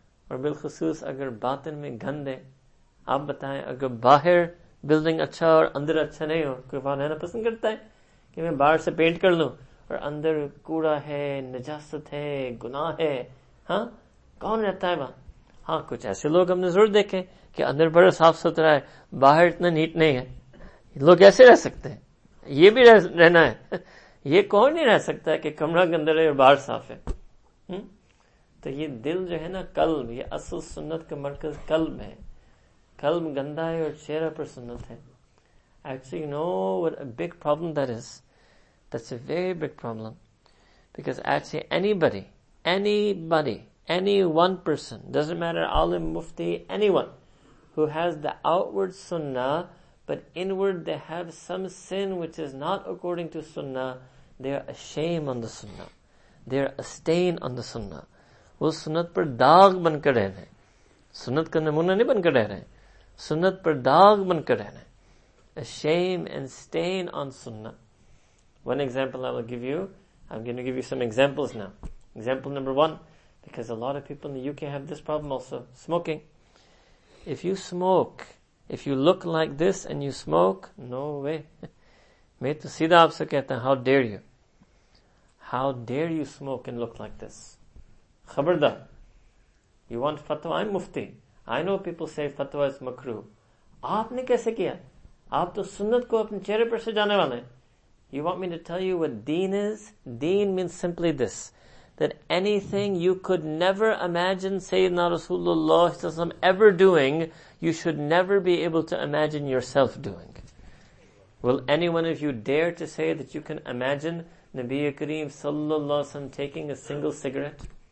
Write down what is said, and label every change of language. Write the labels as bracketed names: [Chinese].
[Urdu] Aur bil khusus agar batin mein gande آپ بتائیں اگر باہر بلڈنگ اچھا اور اندر اچھا نہیں ہو کوئی فان ہے نا پسند کرتا ہے کہ میں باہر سے پینٹ کر لوں اور اندر کوڑا ہے نجاست ہے گناہ ہے ہاں کون رہتا ہے وہاں ہاں کچھ ایسے لوگ ہم نے ضرور دیکھے کہ اندر بڑا صاف ستھرا ہے باہر اتنا نیٹ نہیں ہے لوگ ایسے رہ سکتے ہیں یہ بھی رہنا ہے یہ کون نہیں رہ سکتا ہے کہ کمرہ گندا ہے اور باہر صاف ہے تو یہ دل جو ہے نا قلب یہ اصل سنت کا مرکز قلب ہے قلب گندا ہے اور چہرہ پر سنت ہے [English] Actually, you know what a big problem that is? That's a very big problem. Because actually anybody, any one person, doesn't matter, alim, mufti, anyone, who has the outward sunnah, but inward they have some sin which is not according to sunnah, they are a shame on the sunnah. They are a stain on the sunnah. [Urdu] وہ سنت پر داغ بن کر رہے ہیں. سنت کا نمونہ نہیں بن کر رہے ہیں. سنت پر داغ بن کر رہنا ہے [English] A shame and stain on sunnah. One example I will give you. I'm going to give you some examples now. Example number one. Because a lot of people in the UK have this problem also. Smoking. If you smoke, if you look like this and you smoke, no way. [Urdu] میں تو سیدھا آپ سے کہتا ہوں, [English] how dare you? How dare you smoke and look like this? [Urdu] خبردار. [English] You want fatwa? I'm mufti. I know people say fatwa is makruh. [Urdu] آپ نے کیسے کیا؟ آپ تو سنت کو اپنے چہرے پر سے جانے والے ہیں. [English] You want me to tell you what deen is? Deen means simply this. That anything you could never imagine Sayyidina Rasulullah sallallahu alaihi wasallam ever doing, you should never be able to imagine yourself doing. Will any one of you dare to say that you can imagine Nabi Kareem sallallahu alaihi wasallam taking a single cigarette?